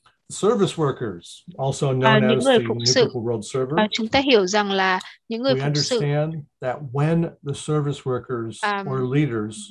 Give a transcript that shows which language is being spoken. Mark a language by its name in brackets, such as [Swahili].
[English] Service workers, also known as the New People World Server. [Vietnamese] Chúng ta hiểu rằng là những người phục sự. [English] We understand that when the service workers or leaders